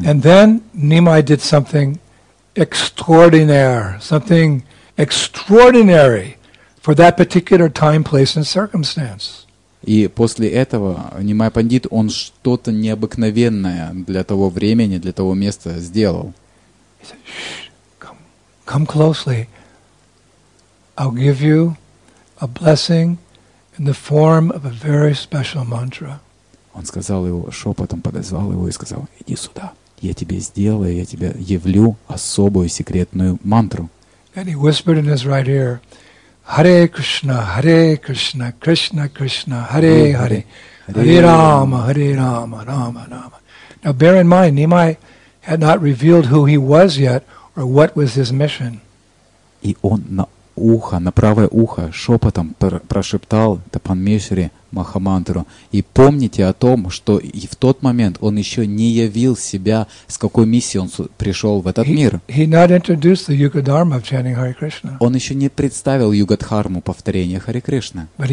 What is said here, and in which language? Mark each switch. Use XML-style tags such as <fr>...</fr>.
<en>And then Nimai did something extraordinary, something extraordinary for that particular time, place and circumstance.</en> <ru>И после этого Нимай Пандит, он что-то необыкновенное для того времени, для того места сделал.</ru> <en>He said, "Shh, come closely. I'll give you a blessing in the form of a very special mantra."</en> <ru>Он сказал его шепотом, подозвал его и сказал: "Иди сюда. Я тебе сделаю, я тебе явлю особую секретную мантру."</ru> <en>And he whispered in his right ear, "Hare Krishna, Hare Krishna, Krishna Krishna, Hare Hare, Hare Rama, Hare Rama, Rama Rama." Now bear in mind, Nimai had not revealed who he was yet or what was his mission.</en> <ru>И он ухо, на правое ухо шепотом прошептал Тапан Мишри Махамантру. И помните о том, что и в тот момент он еще не явил себя, с какой миссией он пришел в этот мир. Он еще не представил Югадхарму повторения Хари Кришны.</ru>